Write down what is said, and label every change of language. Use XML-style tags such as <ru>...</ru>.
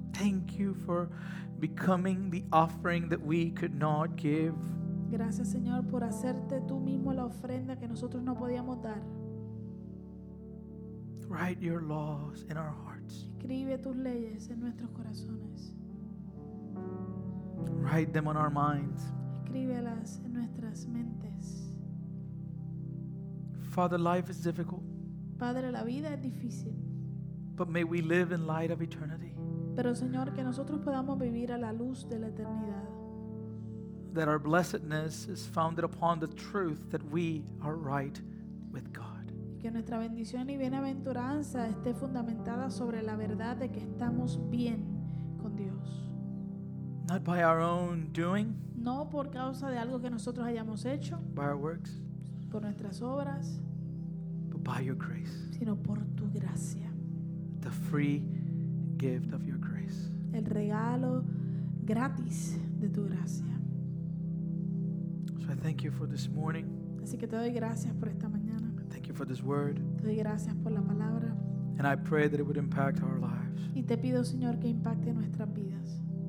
<en>Thank you for becoming the offering that we could not give.</en> <es>Gracias, Señor, por hacerte tú mismo la ofrenda que nosotros no podíamos dar.</es> <en>Write your laws in our hearts.</en> <es>Escribe tus leyes en nuestros corazones.</es> <en>Write them on our minds.</en> <es>Escríbelas en nuestras mentes.</es> <en>Father, life is difficult.</en> <es>Padre, la vida es difícil.</es> <en>But may we live in light of eternity.</en> <es>Pero Señor, que nosotros podamos vivir a la luz de la eternidad.</es> <en>That our blessedness is founded upon the truth that we are right with God.</en> <es>Y que nuestra bendición y bienaventuranza esté fundamentada sobre la verdad de que estamos bien con Dios.</es> <en>Not by our own doing.</en> <es>No por causa de algo que nosotros hayamos hecho.</es> <en>By our works.</en> <es>Por nuestras obras.</es> <en>But by your grace.</en> <es>Sino por tu gracia.</es> <en>The free gift of your grace.</en> <es>El regalo gratis de tu gracia.</es> <en>So I thank you for this morning.</en> <es>Así que te doy gracias por esta mañana.</es> <en>Thank you for this word.</en> <es>Te doy gracias por la palabra.</es> <en>And I pray that it would impact our lives.</en> <es>Y te pido, Señor, que impacte nuestras vidas.</es>